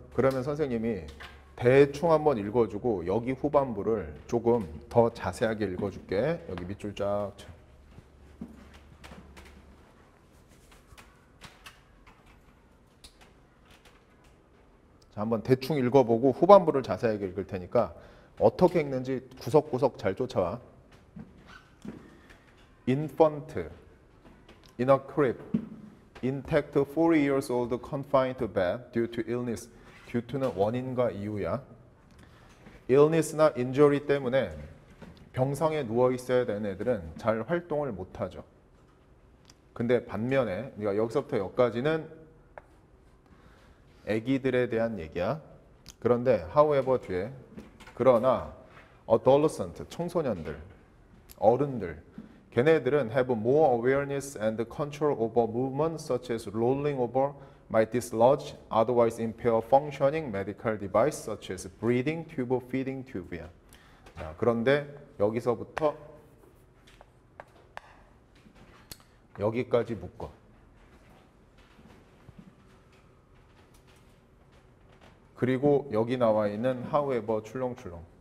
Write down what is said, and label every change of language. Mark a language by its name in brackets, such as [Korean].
[Korean] 그러면 선생님이 대충 한번 읽어주고 여기 후반부를 조금 더 자세하게 읽어줄게. 여기 밑줄 쫙 쳐. 자, 한번 대충 읽어보고 후반부를 자세하게 읽을 테니까 어떻게 읽는지 구석구석 잘 쫓아와. [English] Infant in a crib, intact 4 years old, confined to bed due to illness. [Korean] Due to는 원인과 이유야. Illness나 injury 때문에 병상에 누워 있어야 되는 애들은 잘 활동을 못하죠. 근데 반면에 네가 여기서부터 여기까지는 아기들에 대한 얘기야. 그런데 [English] however [Korean] 뒤에 그러나 [English] adolescent [Korean] 청소년들, 어른들, 걔네들은 [English] have more awareness and control over movement such as rolling over might dislodge otherwise impair functioning medical device such as breathing tube or feeding tube야. [Korean] 자, 그런데 여기서부터 여기까지 묶어. 그리고 여기 나와 있는 however 출렁출렁.